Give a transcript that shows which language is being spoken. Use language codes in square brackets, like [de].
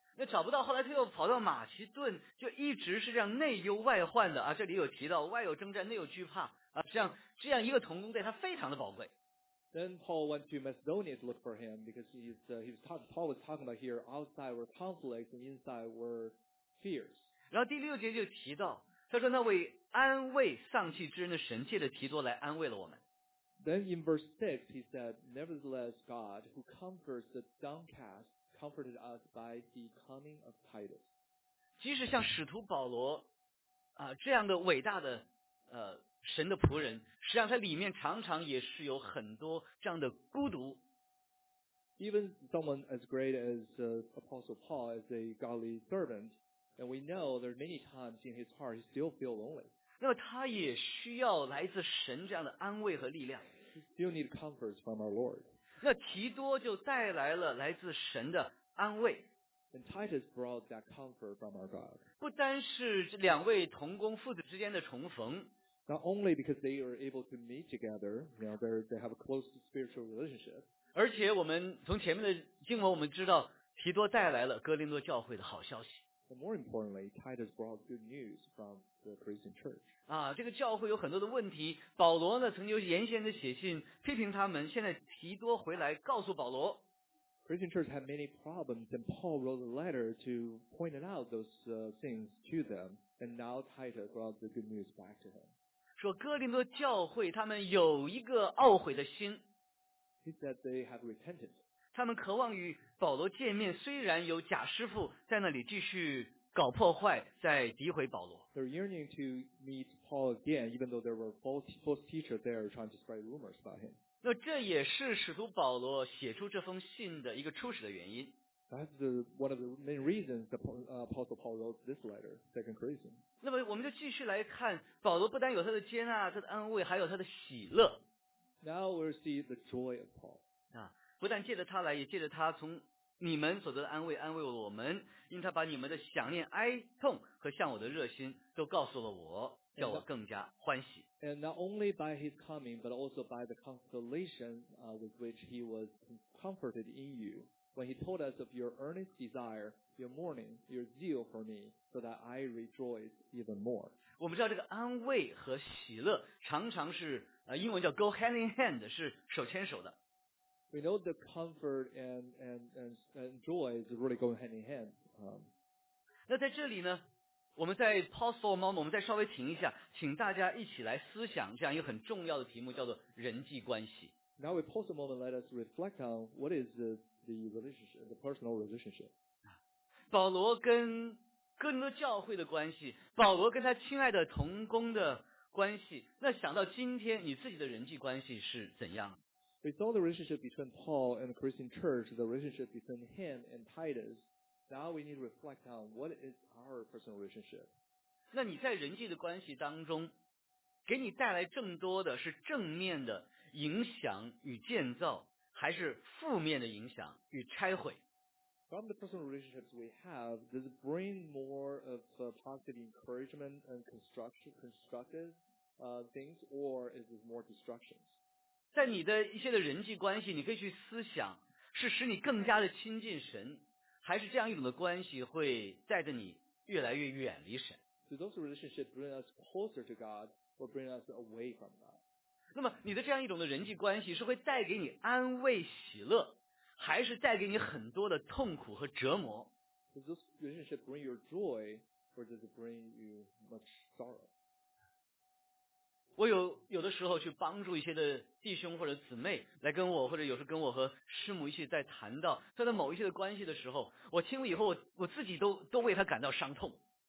[zh] 那找不到，后来他又跑到马其顿，就一直是这样内忧外患的啊。这里有提到，外有征战，内有惧怕啊。这样一个同工，对他非常的宝贵。 [en] Then Paul went to Macedonia to look for him because Paul was talking about here outside were conflicts and inside were fears. [zh] 然后第六节就提到，他说那位安慰丧气之人的神借着提多来安慰了我们。 [en] Then in verse 6, he said, Nevertheless, God, who comforts the downcast, comforted us by the coming of Titus. [zh] 即使像使徒保罗、啊、这样的伟大的、神的仆人，实际上他里面常常也是有很多这样的孤独。 [en] Even someone as great as、Apostle Paul as a godly servant, and we know there are many times in his heart he still feels lonely. [zh] 那么他也需要来自神这样的安慰和力量。 [en] Still need comforts from our Lord. [zh] 那提多就带来了来自神的安慰。 [en] And Titus brought that comfort from our God. [zh] 不单是两位同工父子之间的重逢。 [en] Not only because they are able to meet together, you know, they have a close spiritual relationship. [zh] 而且我们从前面的经文我们知道，提多带来了哥林多教会的好消息。 [en] But more importantly, Titus brought good news from the Corinthian church. [zh] 啊，这个教会有很多的问题。保罗呢，曾经严厉的写信批评他们。现在提多回来告诉保罗 [en] ，Corinthian church had many problems, and Paul wrote a letter to point out those、things to them. And now Titus brought the good news back to him. [zh] 说哥林多教会他们有一个懊悔的心。 [en] He said they have repented. [zh] 他们渴望与保罗见面，虽然有假师父在那里继续搞破坏，在诋毁保罗。 [en] They're yearning to meet Paul again, even though there were false teachers there trying to spread rumors about him. [zh] 那这也是使徒保罗写出这封信的一个初始的原因。 [en] That's the, one of the main reasons the Apostle Paul wrote this letter, Second Corinthians. [zh] 那么我们就继续来看，保罗不单有他的接纳、他的安慰，还有他的喜乐。 [en] Now we'll see the joy of Paul. 啊。 [zh] 不但借着他来，也借着他从你们所得的安慰安慰我们，因他把你们的想念、哀痛和向我的热心都告诉了我，叫我更加欢喜。 [en] And not only by his coming, but also by the consolation with which he was comforted in you, when he told us of your earnest desire, your mourning, your zeal for me, so that I rejoice even more. [zh] 我们知道这个安慰和喜乐常常是、英文叫 [en] go hand in hand, [zh] 是手牵手的。 [en] We know the comfort and joy is really going hand in hand.、 [zh] 那在这里呢，我们在 [en] pause for a moment， [zh] 我们再稍微停一下，请大家一起来思想这样一个很重要的题目，叫做人际关系。 [en] Now we pause a moment. Let us reflect on what is the relationship, the personal relationship. [zh] 保罗跟哥林多教会的关系，保罗跟他亲爱的同工的关系。那想到今天，你自己的人际关系是怎样？ [en] We saw the relationship between Paul and the Corinthian church, the relationship between him and Titus. Now we need to reflect on what is our personal relationship. [zh] 那你在人际的关系当中，给你带来更多的是正面的影响与建造，还是负面的影响与拆毁？ [en] From the personal relationships we have, does it bring more of a positive encouragement and constructive、things, or is it more destructions? [zh] 在你的一些的人际关系，你可以去思想，是使你更加的亲近神，还是这样一种的关系会带着你越来越远离神？ [en] Do those relationships bring us closer to God or bring us away from God? [zh] 那么你的这样一种的人际关系是会带给你安慰喜乐，还是带给你很多的痛苦和折磨？ [en] Does those relationships bring you joy or does it bring you much sorrow? [zh] 我有的时候去帮助一些的弟兄或者姊妹来跟我，或者有时跟我和师母一起在谈到他的某一些的关系的时候，我听了以后，我自己都为他感到伤痛。